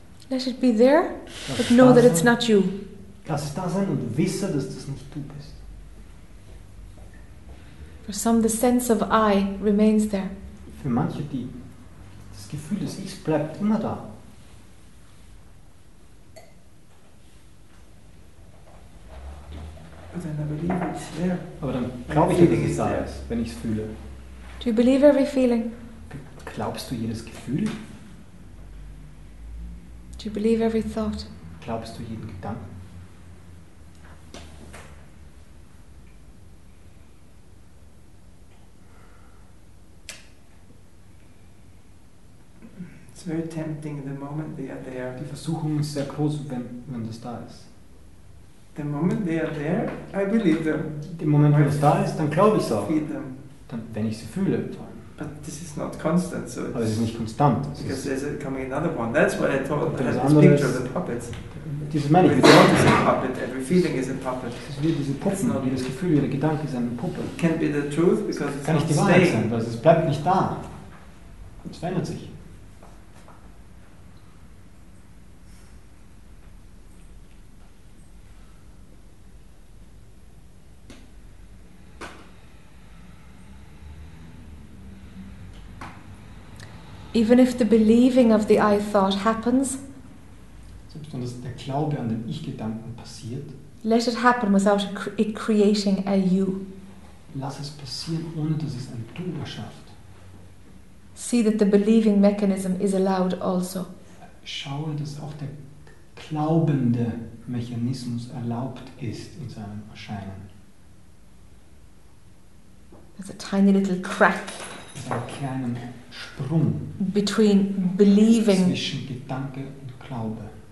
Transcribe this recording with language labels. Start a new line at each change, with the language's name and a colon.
English: Let it be there, but know that it's not you.
German: Lass es da sein und wisse, dass das nicht du bist.
English: For some, the sense of I remains there.
German: Für manche, die das Gefühl des Ichs bleibt immer da.
English: Then I believe it's there.
German: Aber dann glaube ich, dass es da ist, wenn ich es fühle.
English: Do you believe every feeling?
German: Glaubst du jedes Gefühl?
English: Do you believe every thought?
German: Glaubst du jeden Gedanken?
English: It's very tempting the moment they are there.
German: Die Versuchung ist sehr groß, wenn das da ist.
English: The moment they are there, I believe them.
German: Im Moment, wenn es da ist, dann glaube ich es auch.
English: Feel them.
German: Dann, wenn ich sie fühle.
English: But this is not constant, so it's.
German: Aber es ist nicht konstant.
English: Because there's coming another one. That's what I thought. I had this picture of the puppets.
German: Dieses meine ich.
English: Without a puppet, every feeling is a puppet.
German: Es wird diese Puppen, jedes Gefühl, jeder Gedanke ist eine Puppe.
English: Can't be the truth because it's
German: kann nicht die Wahrheit
English: staying.
German: Sein, weil es bleibt nicht da. Es verändert sich.
English: Even if the believing of the I thought happens,
German: selbst wenn der Glaube an den Ich-Gedanken passiert,
English: let it happen without it creating a you.
German: Lass es passieren, ohne dass es ein Du erschafft.
English: See that the believing mechanism is allowed also.
German: Schaue, dass auch der glaubende Mechanismus erlaubt ist in seinem Erscheinen.
English: There's a tiny little crack.
German: Ein kleiner Sprung
English: between believing
German: zwischen Gedanke und Glaube